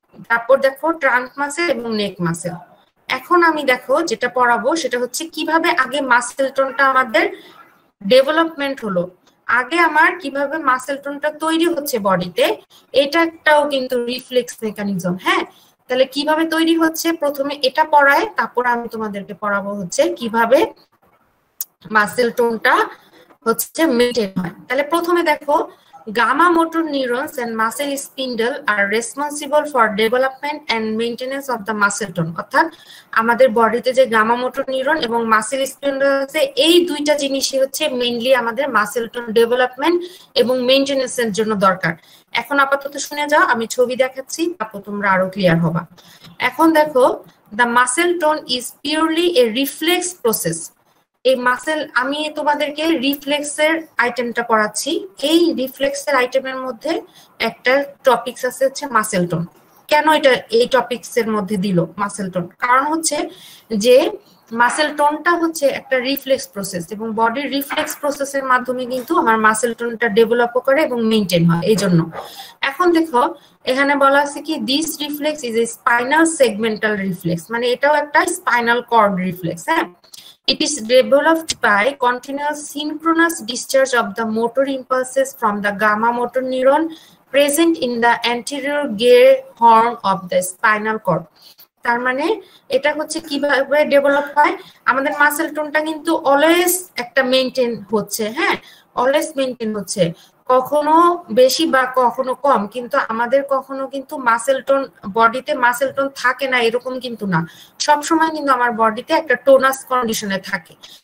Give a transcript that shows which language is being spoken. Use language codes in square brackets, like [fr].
[bn] তারপর দেখো trunk muscle এবং নেক মাসেল। এখন আমি দেখো যেটা পড়াবো সেটা হচ্ছে কিভাবে আগে মাসেল টোনটা আমাদের ডেভেলপমেন্ট হলো, আগে আমার কিভাবে মাসেল টোনটা তৈরি হচ্ছে বডিতে, এটা একটাও কিন্তু রিফ্লেক্স মেকানিজম। হ্যাঁ, তাহলে কিভাবে তৈরি হচ্ছে প্রথমে এটা পড়ায়, তারপর আমি তোমাদেরকে পড়াবো হচ্ছে কিভাবে মাসেল টোনটা হচ্ছে মেনটেন হয়। তাহলে প্রথমে দেখো [en] Gamma motor neurons and muscle spindle are responsible for development and maintenance of the muscle tone. [bn] অর্থাৎ আমাদের বডিতে যে গামা মোটর নিউরন এবং মাসেল স্পিন্ডল আছে এই দুইটা জিনিসই হচ্ছে মেইনলি আমাদের মাসেল টোন ডেভেলপমেন্ট এবং মেইনটেনেন্সের জন্য দরকার। এখন আপাতত শুনে যাও, আমি ছবি দেখাচ্ছি, তারপর তোমরা আরো ক্লিয়ার হবা। এখন দেখো, [en] The muscle tone is purely a reflex process. [bn] এই মাসেল, আমি তোমাদেরকে রিফ্লেক্সের আইটেমটা পড়াচ্ছি। এই রিফ্লেক্সের আইটেমের মধ্যে একটা টপিকস আছে হচ্ছে মাসেল টোন। কেন এটা এই টপিকসের মধ্যে দিল মাসেল টোন? কারণ হচ্ছে যে মাসেল টোনটা হচ্ছে একটা রিফ্লেক্স প্রসেস, এবং বডির রিফ্লেক্স প্রসেসের মাধ্যমে কিন্তু আমার মাসেল টোনটা ডেভেলপও করে এবং মেনটেন হয়। এই জন্য এখন দেখো এখানে বলা আছে কি, [en] this reflex is a spinal segmental reflex, [bn] মানে এটাও একটা স্পাইনাল কর্ড রিফ্লেক্স। [en] হ্যাঁ, it is developed by continuous synchronous discharge of the motor impulses from the gamma motor neuron present in the anterior gear horn of the spinal cord. [bn] তার মানে এটা হচ্ছে কিভাবে develop হয়, আমাদের মাসেল টোনটা কিন্তু always একটা মেইনটেইন হচ্ছে। হ্যাঁ, অলওয়েজ মেইনটেইন হচ্ছে, কখনো বেশি বা কখনো কম, কিন্তু আমাদের কখনো কিন্তু মাসেল টোন, বডিতে মাসেল টোন থাকে না এরকম কিন্তু না, সব সময় কিন্তু আমার বডিতে একটা টোনাস কন্ডিশনে থাকে।